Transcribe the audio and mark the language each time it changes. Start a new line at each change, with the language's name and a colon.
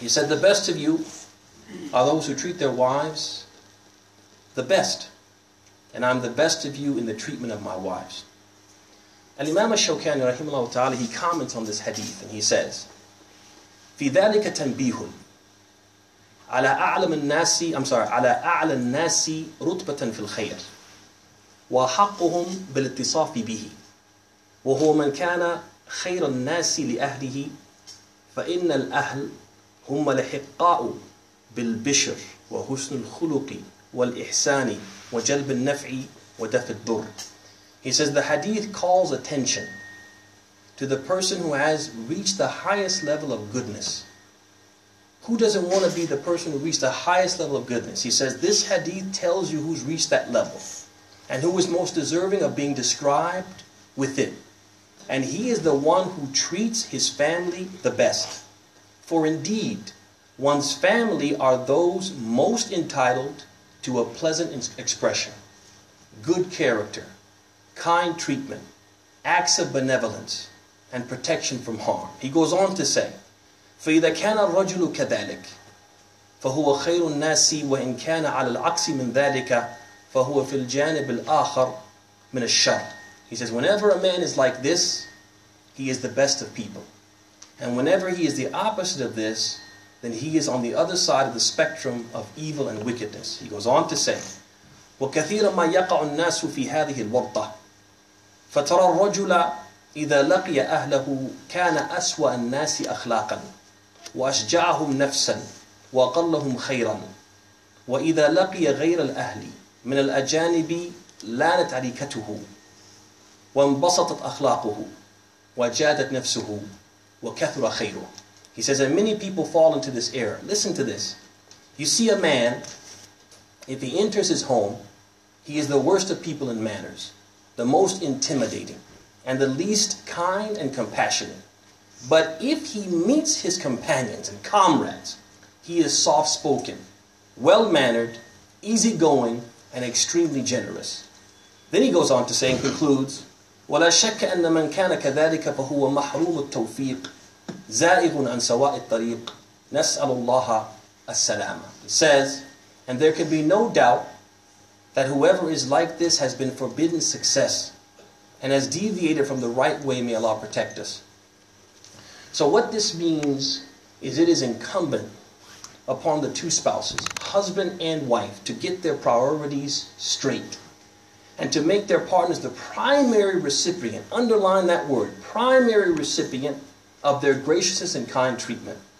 English: He said, the best of you are those who treat their wives the best, and I'm the best of you in the treatment of my wives. Al-Imam al-Shawkani, rahimahullah ta'ala, he comments on this hadith, and he says,
Arabic: فِي ذَلِكَ تَنْبِيهٌ على أعلم الناس
English: I'm sorry
Arabic: على أعلى الناس رتبة في الخير وحقهم بالاتصاف به وهو من كان خير الناس لأهله فإن الأهل هم لحقاء بالبشر وحسن الخلق والإحسان وجلب النفع ودفع الضر.
English: He says the hadith calls attention to the person who has reached the highest level of goodness. Who doesn't want to be the person who reached the highest level of goodness? He says this hadith tells you who's reached that level and who is most deserving of being described with it. And he is the one who treats his family the best. For indeed, one's family are those most entitled to a pleasant expression, good character, kind treatment, acts of benevolence, and protection from harm. He goes on to say,
Arabic: فَإِذَا كَانَ الرَّجُلُ كَذَلِكَ فَهُوَ خَيْرُ النَّاسِ وَإِنْ كَانَ عَلَى الْعَكْسِ مِنْ ذَلِكَ فَهُوَ فِي الْجَانِبِ الْآخَرِ مِنَ الشَّرِ.
English: He says, whenever a man is like this, he is the best of people. And whenever he is the opposite of this, then he is on the other side of the spectrum of evil and wickedness. He goes on to say,
Arabic: وَكَثِيرًا مَا يَقَعُ النَّاسُ فِي هَذِهِ الْوَرْطَةِ فَتَرَى الرَّجُلَ إِذَا لَقِيَ أَهْلَهُ كَانَ أَسْوَأَ النَّاسِ أَخْلَاقًا وَأَشْجَعَهُمْ نَفْسًا وَقَلَّهُمْ خَيْرًا وَإِذَا لَقِيَ غَيْرَ الْأَهْلِ مِنَ الْأَجَانِبِ لَانَتْ عَلِيكَتُهُ وَانْبَسَطَتْ أَخْلَاقُهُ وَجَادَتْ نَفْسُهُ وَكَثُرَ خَيْرُهُ.
English: He says that many people fall into this error. Listen to this. You see a man, if he enters his home, he is the worst of people in manners, the most intimidating, and the least kind and compassionate. But if he meets his companions and comrades, he is soft-spoken, well-mannered, easygoing, and extremely generous. Then he goes on to say and concludes,
Arabic: وَلَا شَكَّ أَنَّ مَنْ كَانَ كَذَلِكَ فَهُوَ مَحْرُومُ التَّوْفِيقِ زَائِغٌ عَنْ سَوَاءِ الطَّرِيقِ نَسْأَلُ اللَّهَ السَّلَامَ.
English: It says, and there can be no doubt that whoever is like this has been forbidden success and has deviated from the right way, may Allah protect us. So what this means is it is incumbent upon the two spouses, husband and wife, to get their priorities straight and to make their partners the primary recipient, underline that word, primary recipient of their graciousness and kind treatment.